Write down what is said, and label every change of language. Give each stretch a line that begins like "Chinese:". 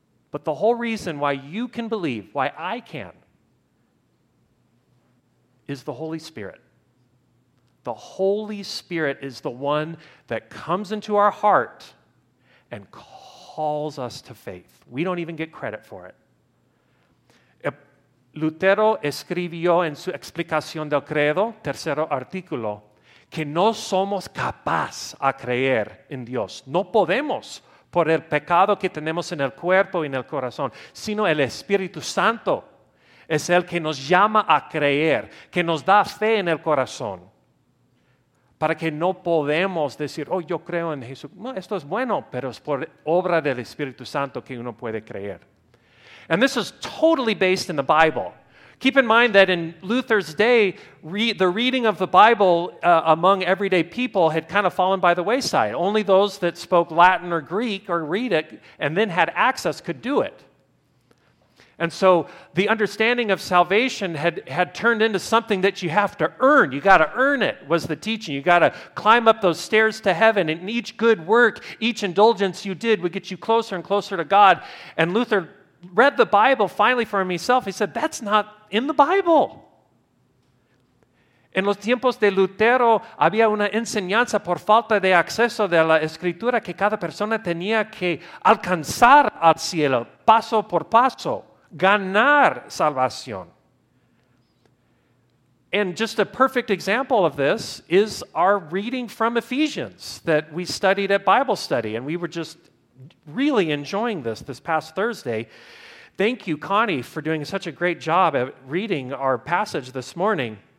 English: But the whole reason why you can believe, why I can, is the Holy Spirit. The Holy Spirit is the one that comes into our heart and calls us to faith. We don't even get credit for it.
Spanish: Lutero escribió en su explicación del credo, tercero artículo, que no somos capaces a creer en Dios. No podemos por el pecado que tenemos en el cuerpo y en el corazón, sino el Espíritu Santo es el que nos llama a creer, que nos da fe en el corazón, para que no podemos decir, oh, yo creo en Jesús. No, esto es bueno, pero es por obra del Espíritu Santo que uno puede creer.
English: And this is totally based in the Bible. Keep in mind that in Luther's day, the reading of the Bible among everyday people had kind of fallen by the wayside. Only those that spoke Latin or Greek or read it and then had access could do it. And so the understanding of salvation had turned into something that you have to earn. You got to earn it, was the teaching. You got to climb up those stairs to heaven, and each good work, each indulgence you did would get you closer and closer to God. And Luther read the Bible finally for himself. He said, that's not in the Bible.
Spanish: En los tiempos de Lutero, había una enseñanza por falta de acceso de la Escritura que cada persona tenía que alcanzar al cielo, paso por paso, ganar salvación.
English: And just a perfect example of this is our reading from Ephesians that we studied at Bible study, and we were just really enjoying this past Thursday. Thank you, Connie, for doing such a great job at reading our passage this morning.